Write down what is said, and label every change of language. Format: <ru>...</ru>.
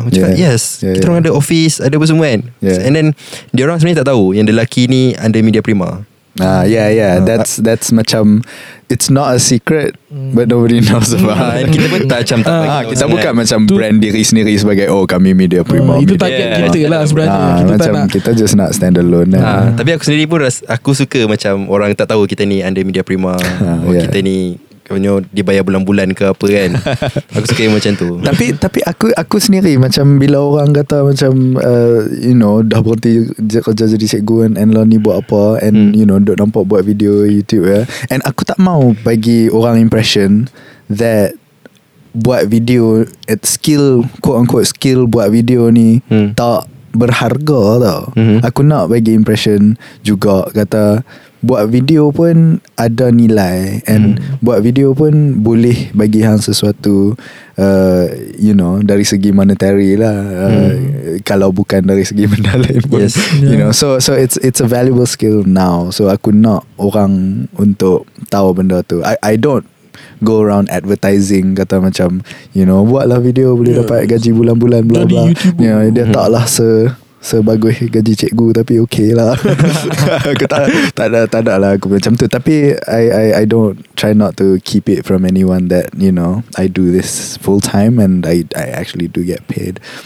<ms>Aku cakap, kita orang ada office, ada apa semua kan?</ms> <en>And then</en> <ms>dia orang sebenarnya tak tahu yang dia lelaki ni under Media Prima.</ms> <en>That's macam, it's not a secret, but nobody knows about it.</en> <ms>Kita pun tak macam tak kita bukan macam tu, brand diri sendiri sebagai, oh, kami Media Prima. Itu target kita lah sebenarnya. Kita just nak</ms> <en>stand alone.</en> <ms>Tapi aku sendiri pun aku suka macam orang tak tahu kita ni under Media Prima. Kita ni dia bayar bulan-bulan ke apa kan. Aku suka yang macam tu. Tapi aku sendiri macam bila orang kata macam you know, dah berhenti kerja jadi cikgu and lah ni buat apa and you know, duk nampak buat video YouTube ya. And aku tak mau bagi orang impression that buat video at skill,</ms> <en>quote unquote</en> <ms>skill buat video ni tak berharga tau. Aku nak bagi impression juga kata buat video pun ada nilai and buat video pun boleh bagi hang sesuatu, you know, dari segi monetary lah. Kalau bukan dari segi benda lain pun.</ms> <en>You know, so it's a valuable skill now.</en> <ms>So aku nak orang untuk tahu benda tu.</ms> <en>I don't go around advertising</en> <ms>kata macam, you know, buatlah video boleh dapat gaji bulan-bulan, blah blah. You know, dia taklah sebagus gaji cikgu tapi okay lah. Aku tak ada lah aku macam tu.</ms> <en>Tapi I don't try not to keep it from anyone that, you know, I do this full time and I actually do get paid.</en>